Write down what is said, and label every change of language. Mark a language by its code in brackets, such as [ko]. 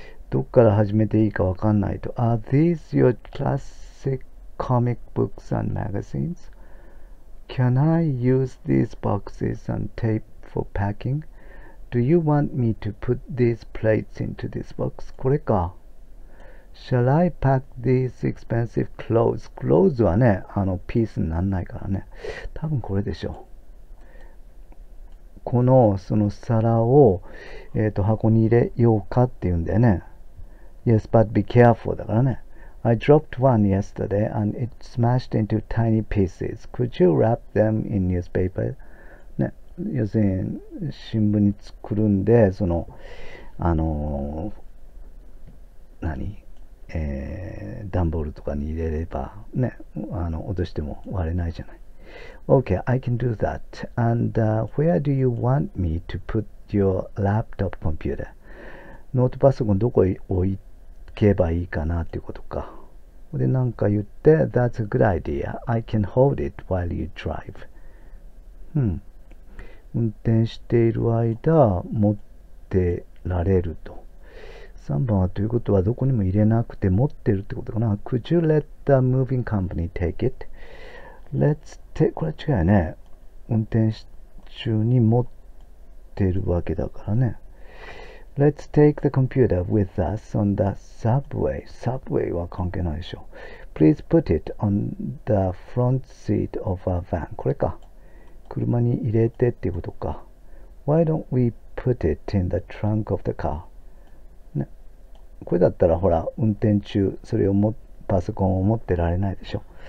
[ja] どっから始めていいかわかんないと。 [en] Are these your classic comic books and magazines? Can I use these boxes and tape for packing? Do you want me to put these plates into this box? [ja] これか。 [en] Shall I pack these expensive clothes? [ja] Clothes はね、ピースにならないからね。多分これでしょう。この、その皿を、箱に入れようかっていうんだよね。 [en] Yes, but be careful [ja] だからね。 [en] I dropped one yesterday and it smashed into tiny pieces. Could you wrap them in newspaper? [ja] ね、要するに新聞に作るんで、その、何? 段ボールとかに入れればね、落としても割れないじゃない。 [en] Okay, I can do that. And where do you want me to put your laptop computer? [ja] ノートパソコンどこへ置けばいいかなっていうことか。で、なんか言って、 [en] That's a good idea. I can hold it while you drive. [ja] 運転している間、持ってられると。 3番はということはどこにも入れなくて持ってるってことかな。 [en] Could you let the moving company take it? Let's take、 [ja] これは違うよね。運転し中に持ってるわけだからね。 [en] Let's take the computer with us on the subway. [ja] Subway は関係ないでしょ。 [en] Please put it on the front seat of our van. [ja] これか。車に入れてっていうことか。 [en] Why don't we put it in the trunk of the car? [ja] これだったらほら、運転中、それをも、パソコンを持ってられないでしょ。